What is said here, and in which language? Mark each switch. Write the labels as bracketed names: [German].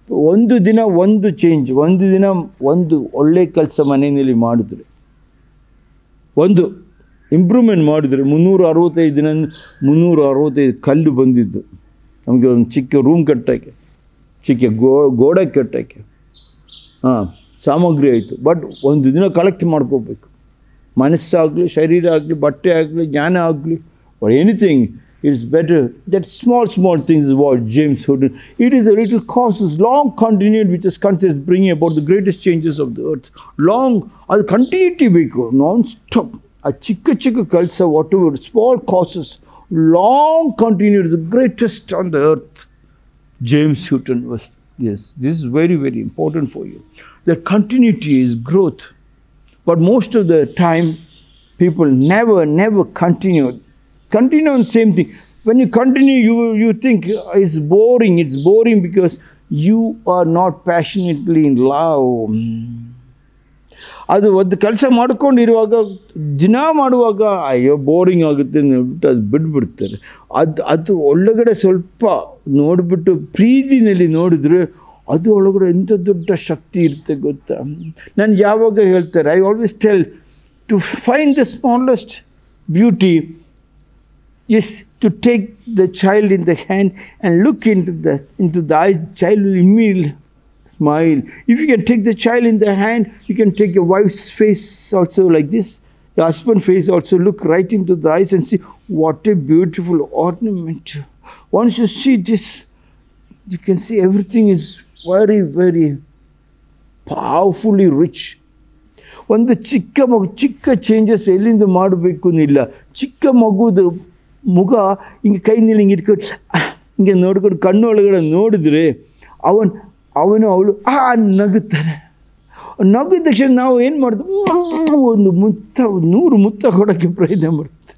[Kannada] ಒಂದು ದಿನ ಒಂದು ಚೇಂಜ್, ಒಂದು ದಿನ ಒಂದು ಒಳ್ಳೆ ಕೆಲಸ ಮನೆಯಲ್ಲಿ ಮಾಡಿದ್ರೆ, ಒಂದು ಇಂಪ್ರೂವ್ಮೆಂಟ್ ಮಾಡಿದರೆ. 365 ಕಲ್ಲು ಬಂದಿದ್ದು ನಮಗೆ ಒಂದು ಚಿಕ್ಕ ರೂಮ್ ಕಟ್ಟೋಕ್ಕೆ, ಚಿಕ್ಕ ಗೋಡೆ ಕಟ್ಟೋಕ್ಕೆ, ಹಾಂ ಸಾಮಗ್ರಿ ಆಯಿತು. ಬಟ್ ಒಂದು ದಿನ ಕಲೆಕ್ಟ್ ಮಾಡ್ಕೋಬೇಕು. ಮನಸ್ಸಾಗಲಿ, ಶರೀರ ಆಗಲಿ, ಬಟ್ಟೆ ಆಗಲಿ, ಜ್ಞಾನ ಆಗಲಿ, [English] Anything It is better that small, small things is what James Hutton. It is a little causes, long continued, which is considered bringing about the greatest changes of the earth. Long, the continuity vehicle, non-stop. A [Kannada] chikka chikka kalsa, [English] whatever, small causes, long continued, the greatest on the earth. James Hutton was, yes, this is very, very important for you. The continuity is growth. But most of the time, people never, never continued. Continue on same thing. When you continue, you think it's boring. It's boring because you are not passionately in love. [Kannada] ಅದು ಒಂದು ಕೆಲಸ ಮಾಡ್ಕೊಂಡಿರುವಾಗ, ದಿನ ಮಾಡುವಾಗ ಅಯ್ಯೋ boring ಆಗುತ್ತೆ ಅಂದ್ಬಿಟ್ಟು ಅದು ಬಿಟ್ಬಿಡ್ತಾರೆ. ಅದು ಒಳಗಡೆ ಸ್ವಲ್ಪ ನೋಡಿಬಿಟ್ಟು ಪ್ರೀತಿನಲ್ಲಿ ನೋಡಿದ್ರೆ ಅದು ಒಳಗಡೆ ಎಂಥ ದೊಡ್ಡ ಶಕ್ತಿ ಇರುತ್ತೆ ಗೊತ್ತಾ? ನಾನು ಯಾವಾಗ ಹೇಳ್ತಾರೆ, [English] I always tell, to find the smallest beauty is to take the child in the hand and look into the eyes. Child will immediately smile. If you can take the child in the hand, you can take your wife's face also like this, your husband's face also, look right into the eyes and see what a beautiful ornament. Once you see this, you can see everything is very, very powerfully rich. [Kannada] ಒಂದು ಚಿಕ್ಕ ಮಗು, ಚಿಕ್ಕ changes ಎಲ್ಲಿಂದ ಮಾಡಬೇಕು ಇಲ್ಲ. ಚಿಕ್ಕ ಮಗುದು ಮುಗ ಹಿಂಗೆ ಕೈನಲ್ಲಿ ಹಿಂಗೆ ಇಟ್ಕೊಂಡು ಹಿಂಗೆ ನೋಡ್ಕೊಂಡು ಕಣ್ಣು ಒಳಗಡೆ ನೋಡಿದ್ರೆ ಅವನು ಅವಳು ನಗುತ್ತಾರೆ. ನಗಿದ ತಕ್ಷಣ ನಾವು ಏನು ಮಾಡ್ತೀವಿ? ಒಂದು ಮುತ್ತ, 100 ಮುತ್ತ ಕೊಡೋಕ್ಕೆ ಪ್ರಯತ್ನ ಮಾಡ್ತಾರೆ.